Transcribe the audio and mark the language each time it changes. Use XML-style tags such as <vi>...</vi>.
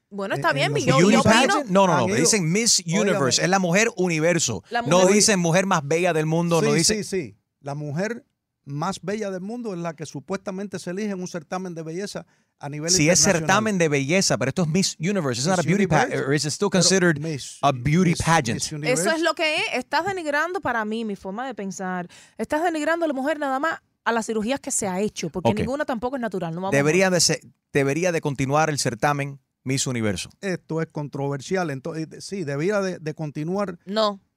<es>Bueno, está bien, yo opino. No, me dicen Miss Universe. Oígame. Es la mujer universo. La mujer, no dicen mujer más bella del mundo. Sí, no dicen... sí. La mujer más bella del mundo es la que supuestamente se elige en un certamen de belleza. A nivel si es certamen de belleza, pero esto es Miss Universe.</es> <en>It's not a beauty pageant, or is it still considered a beauty pageant?</en> <es>Eso es lo que es. Estás denigrando, para mí, mi forma de pensar. Estás denigrando a la mujer nada más a las cirugías que se ha hecho, porque ninguna tampoco es natural. No vamos debería de continuar el certamen Miss Universo. Esto es controversial. Entonces, sí, debería de continuar. No.</es>